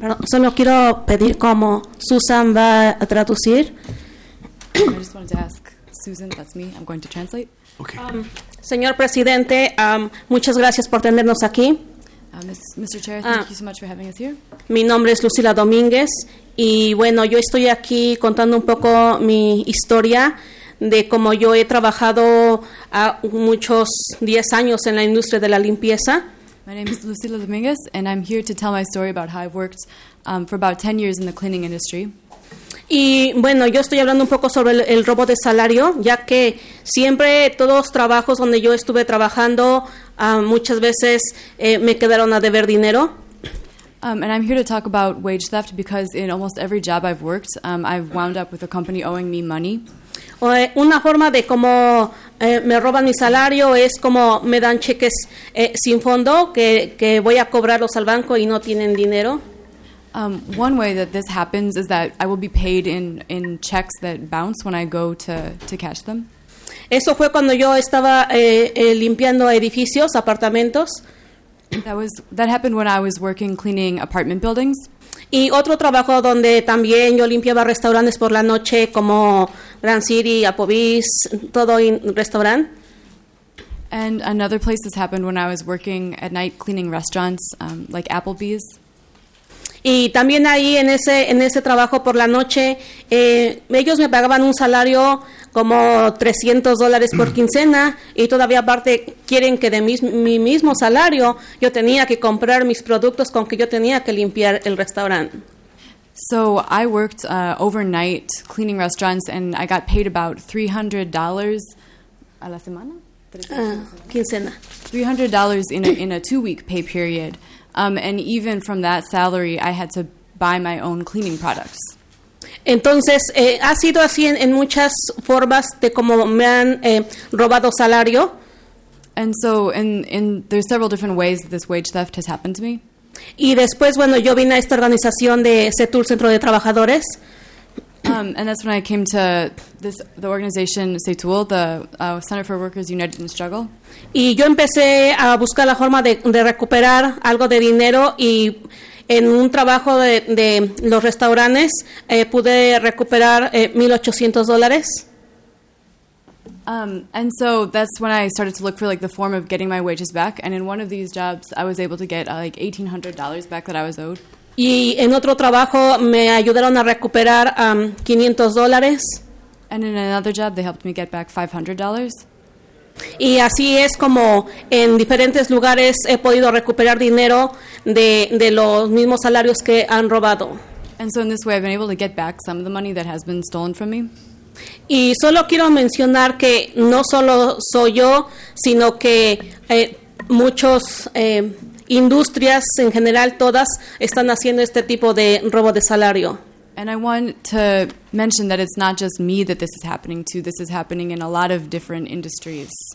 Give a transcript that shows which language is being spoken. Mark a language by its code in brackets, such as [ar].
[es] Solo quiero pedir cómo Susan va a traducir. [en] I just wanted to ask Susan, that's me, I'm going to translate. Okay. [es] Señor Presidente, muchas gracias por tenernos aquí. [en] Mr. Chair, thank you so much for having us here. [es] Mi nombre es Lucila Domínguez, y bueno, yo estoy aquí contando un poco mi historia de cómo yo he trabajado muchos 10 años en la industria de la limpieza. [en] My name is Lucila Dominguez, and I'm here to tell my story about how I've worked for about 10 years in the cleaning industry. [es] Y bueno, yo estoy hablando un poco sobre el robo de salario, ya que siempre todos los trabajos donde yo estuve trabajando, muchas veces me quedaron a deber dinero. [en] And I'm here to talk about wage theft because in almost every job I've worked, I've wound up with a company owing me money. [es] Una forma de cómo me roban mi salario es como me dan cheques sin fondo que voy a cobrarlos al banco y no tienen dinero. [en] One way that this happens is that I will be paid in checks that bounce when I go to cash them. [es] Eso fue cuando yo estaba limpiando edificios, apartamentos. [en] That happened when I was working cleaning apartment buildings. [es] Y otro trabajo donde también yo limpiaba restaurantes por la noche como Grand City, Applebee's, todo en restaurant. [en] And another place this happened when I was working at night cleaning restaurants like Applebee's. [es] Y también ahí en ese trabajo por la noche, ellos me pagaban un salario como $300 por quincena y todavía aparte quieren que de mi mismo salario yo tenía que comprar mis productos con que yo tenía que limpiar el restaurante. [en] So I worked overnight cleaning restaurants and I got paid about $300 [es] a la semana? Quincena. [en] $300 in a 2 week pay period. And even from that salary, I had to buy my own cleaning products. [es] Entonces, ha sido así en muchas formas de cómo me han robado salario. [en] And so, in there's several different ways that this wage theft has happened to me. [es] Y después, bueno, yo vine a esta organización de CETUL, Centro de Trabajadores. [en] And that's when I came to this, the organization CETUL, the Center for Workers United in Struggle. [es] Y yo empecé a buscar la forma de recuperar algo de dinero y en un trabajo de los restaurantes pude recuperar $1,800. [en] And so that's when I started to look for like the form of getting my wages back. And in one of these jobs, I was able to get like $1,800 back that I was owed. [es] Y en otro trabajo me ayudaron a recuperar $500. [en] And in another job, they helped me get back $500. [es] Y así es como en diferentes lugares he podido recuperar dinero de los mismos salarios que han robado. [en] And so in this way, I've been able to get back some of the money that has been stolen from me. [es] Y solo quiero mencionar que no solo soy yo, sino que muchos industrias en general, todas, están haciendo este tipo de robo de salario. [en] And I want to mention that it's not just me that this is happening to. This is happening in a lot of different industries.